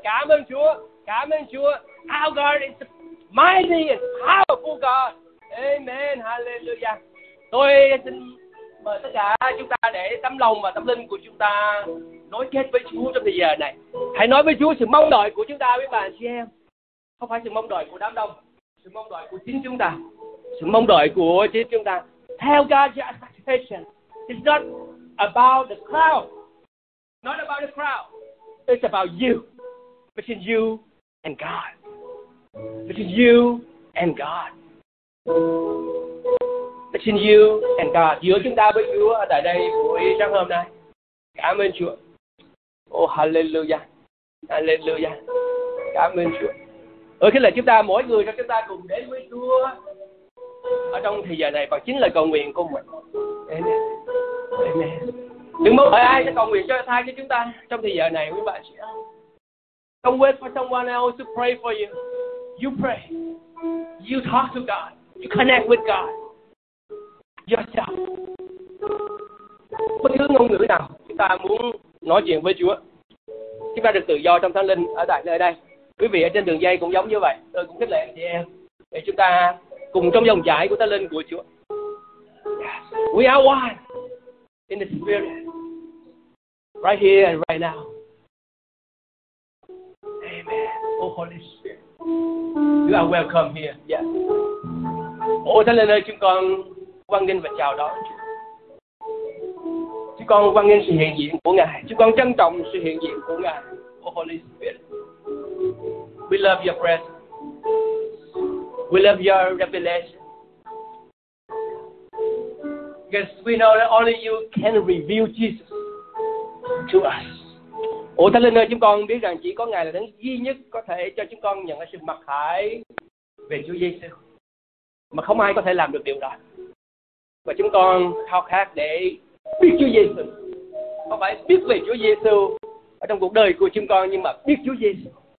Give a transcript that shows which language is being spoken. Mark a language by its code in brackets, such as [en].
[vi] Cảm ơn Chúa. Cảm ơn Chúa. [en] Our God is mighty and powerful God. Amen. Hallelujah. [vi] Tôi xin mời tất cả chúng ta để tấm lòng và tâm linh của chúng ta nói kết với Chúa trong thời giờ này. Hãy nói với Chúa sự mong đợi của chúng ta với bạn chị em. Không phải sự mong đợi của đám đông, sự mong đợi của chính chúng ta. Sự mong đợi của chính chúng ta. [en] Theo God's expectation, it's not about the crowd. Not about the crowd. It's about you. Between you and God. Between you and God. Between you and God. [vi] Giữa chúng ta với Chúa ở tại đây buổi sáng hôm nay. Cảm ơn Chúa. Oh hallelujah. Hallelujah. Cảm ơn Chúa. Ở khi là chúng ta, mỗi người trong chúng ta cùng đến với Chúa ở trong thời giờ này, và chính là cầu nguyện của mình. Amen. Amen. Đừng mong đợi ai sẽ cầu nguyện cho thay cho chúng ta trong thời giờ này quý bạn chị. [en] Don't wait for someone else to pray for you. You pray. You talk to God. You connect with God. Yourself. [vi] Bất cứ ngôn ngữ nào chúng ta muốn nói chuyện với Chúa, chúng ta được tự do trong Thánh Linh ở tại nơi đây. Quý vị ở trên đường dây cũng giống như vậy. Tôi cũng khích lệ anh chị em để chúng ta cùng trong dòng chảy của Thánh Linh của Chúa. [en] Yes. We are one in the Spirit, right here and right now. Amen. Oh Holy Spirit, you are welcome here. Yes. [vi] Oh Thánh Linh ơi, chúng con quan nghênh và chào đón Chúa. Chúng con quan nghênh sự hiện diện của Ngài. Chúng con trân trọng sự hiện diện của Ngài. [en] Oh Holy Spirit, we love your presence. We love your revelation. Because we know that only you can reveal Jesus to us. [vi] Ồ Thánh Linh ơi, chúng con biết rằng chỉ có Ngài là đấng duy nhất có thể cho chúng con nhận sự mặc khải về Chúa Giêsu. Mà không ai có thể làm được điều đó. Và chúng con khao khát để biết Chúa Giêsu. Không phải biết về Chúa Giêsu ở trong cuộc đời của chúng con, nhưng mà biết Chúa Giêsu.